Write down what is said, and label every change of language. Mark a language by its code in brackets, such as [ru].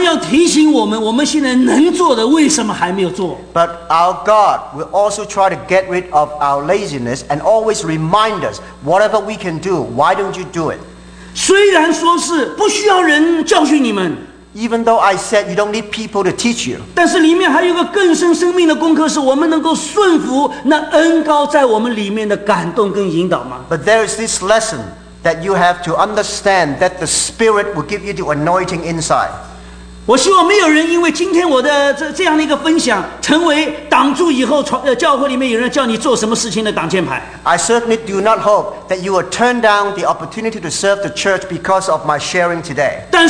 [zh] 但是我们的神也要排除我们的懒惰，常常要提醒我们，我们现在能做的，为什么还没有做？ [en] But our God will also try to get rid of our laziness and always remind us, whatever we can do, why don't you do it? [zh] 虽然说是不需要人教训你们。 [en] Even though I said you don't need people to teach you. [zh] 但是里面还有一个更深生命的功课，是我们能够顺服那恩膏在我们里面的感动跟引导吗？ [en] But there is this lesson that you have to understand that the Spirit will give you the anointing inside. [zh] 我希望没有人因为今天我的这样的一个分享，成为挡住以后教会里面有人叫你做什么事情的挡箭牌。 [en] I certainly do not hope that you will turn down the opportunity to serve the church because of my sharing today.